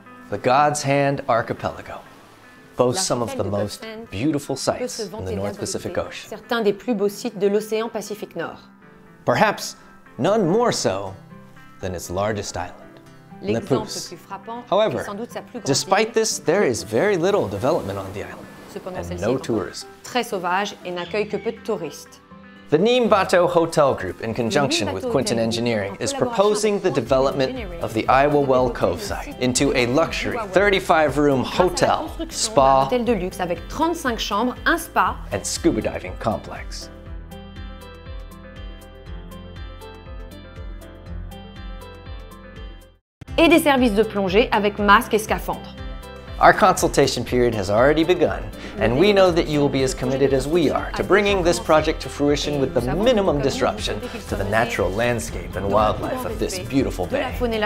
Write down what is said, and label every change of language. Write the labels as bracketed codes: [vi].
[en] The God's Hand Archipelago boasts some of the most beautiful sites in the North Pacific Ocean. [fr] Certains des plus beaux sites de l'océan Pacifique Nord. [en] Perhaps none more so than its largest island, Nepos. However, despite this, there is very little development on the island, and no tourism. [fr] Très sauvage et n'accueille que peu de touristes. [en] The Neem Bato Hotel Group, in conjunction with Quinton Engineering, is proposing the development of the Iowa Well Cove site into a luxury 35-room hotel, spa, and scuba diving complex. [fr] Et des services de plongée avec masque et scaphandre. [en] Our consultation period has already begun, And we know that you will be as committed as we are to bringing this project to fruition with the minimum disruption to the natural landscape and wildlife of this beautiful bay.